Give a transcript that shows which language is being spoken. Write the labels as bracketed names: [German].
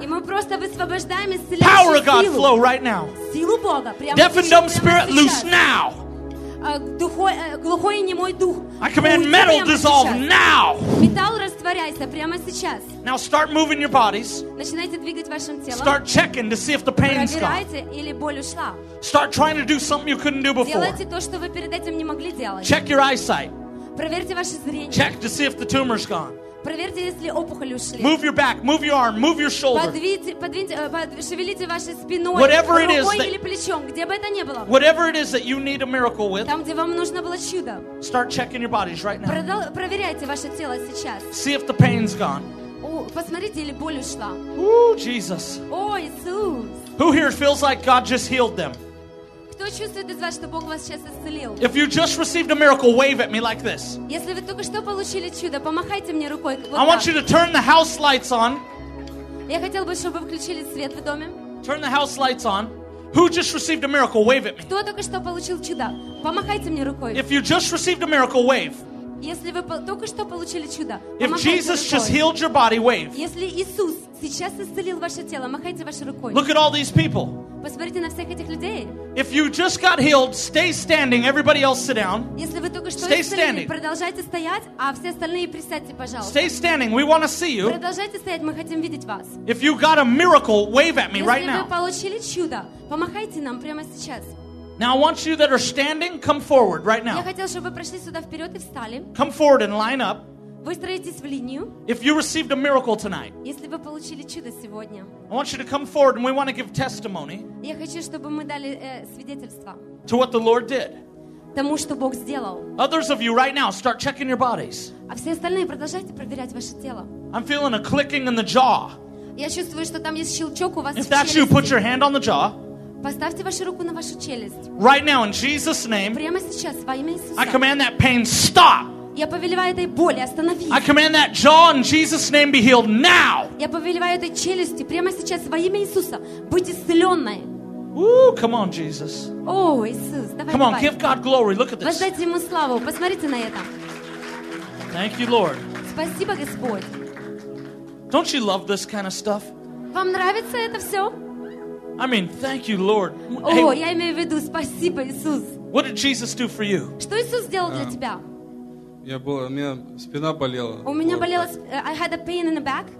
[English] Power of God flow right now. Deaf and dumb spirit loose now. [Russian] Глухой и немой дух. [English] I command metal dissolve now. [Russian] Металл растворяйся прямо сейчас. [English] Now start moving your bodies. [Russian] Начинайте двигать вашим телом. [English] Start checking to see if the pain's gone. [Russian] Проверяйте, или боль ушла. [English] Start trying to do something you couldn't do before. [Russian] Делайте то, что вы перед этим не могли делать. [English] Check your eyesight. [Russian] Проверьте ваше зрение. [English] Check to see if the tumor's gone. [Russian] Проверьте, если опухоль ушла. [English] Move your back, move your arm, move your shoulder. [Russian] Подвиньте вашей спиной. [English] Whatever it is, [Russian] рукой или плечом, где бы это ни было. [English] Whatever it is that you need a miracle with. [Russian] Там, где вам нужно было чудо. [English] Start checking your bodies right now. [Russian] Проверяйте ваше тело сейчас. [English] See if the pain's gone. [Russian] Посмотрите, или боль ушла. [English] Ooh, Jesus. [Russian] О, Иисус. [English] Who here feels like God just healed them? [Russian] Кто чувствует из вас, что Бог вас сейчас исцелил? [English] If you just received a miracle, wave at me like this. [Russian] Если вы только что получили чудо, помахайте мне рукой. [English] I want you to turn the house lights on. [Russian] Я хотел бы, чтобы включили свет в доме. [English] Turn the house lights on. Who just received a miracle, wave at me. [Russian] Кто только что получил чудо, помахайте мне рукой. [English] If you just received a miracle, wave. [Russian] Если вы только что получили чудо, [English] if Jesus just healed your body, wave. [Russian] Если Иисус сейчас исцелил ваше тело, махайте вашей рукой. [English] Look at all these people. [Russian] Посмотрите на всех этих людей. [English] If you just got healed, stay standing. Everybody else sit down. [Russian] Если вы только что исцелились, продолжайте стоять, а все остальные присядьте, пожалуйста. [English] Stay standing. We want to see you. [Russian] Продолжайте стоять, мы хотим видеть вас. [English] If you got a miracle, wave at me right now. [Russian] Если вы получили чудо, помахайте нам прямо сейчас. [English] Now I want you that are standing, come forward right now. [Russian] Я хотел, чтобы вы прошли сюда вперед и встали. [English] Come forward and line up. [Russian] Выстроитесь в линию. [English] If you received a miracle tonight. [Russian] Если вы получили чудо сегодня. [English] I want you to come forward and we want to give testimony. [Russian] Я хочу, чтобы мы дали свидетельство. [English] To what the Lord did. [Russian] Тому, что Бог сделал. [English] Others of you right now, start checking your bodies. [Russian] А все остальные продолжайте проверять ваше тело. [English] I'm feeling a clicking in the jaw. [Russian] Я чувствую, что там есть щелчок у вас в челюсти. [English] If that's you, put your hand on the jaw. [Russian] Поставьте вашу руку на вашу челюсть. [English] Right now in Jesus' name. [Russian] Прямо сейчас во имя Иисуса. [English] I command that pain stop. [Russian] Я повелеваю этой боли остановиться. [English] I command that jaw in Jesus' name be healed now. [Russian] Я повелеваю этой челюсти прямо сейчас во имя Иисуса быть исцеленной. [English] Ooh, come on, Jesus. [Russian] О, Иисус, давай. [English] Come on, [Russian] давай. [English] Give God glory. Look at this. [Russian] Воздайте ему славу. Посмотрите на это. [English] Thank you, Lord. [Russian] Спасибо, Господь. [English] Don't you love this kind of stuff? [Russian] Вам нравится это все? [English] I mean, thank you, Lord. Oh, hey, [Russian] я имею в виду, спасибо, Иисус. [English] What did Jesus do for you? [Russian] Что Иисус сделал для тебя? Я был, у меня спина болела. У меня болела, [English] I had a pain in the back.